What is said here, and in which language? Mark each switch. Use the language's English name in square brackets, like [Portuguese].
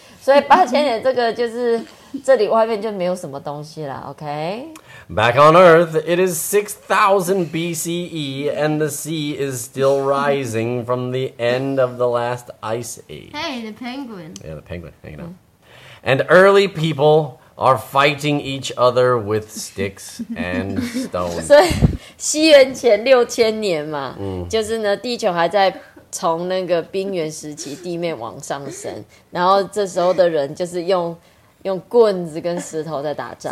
[Chinese] 所以八千年这个就是这里外面就没有什么东西了 ，OK? [English] Back on Earth, it is 6,000 BCE, and the sea is still rising from the end of the last ice age. Hey, the penguin. Yeah, the penguin, hanging out. And early people... are fighting each other with sticks and stones. [Chinese] 所以西元前六千年嘛、嗯、就是呢地球还在从那个冰原时期地面往上升，然后这时候的人就是用棍子跟石头在打仗。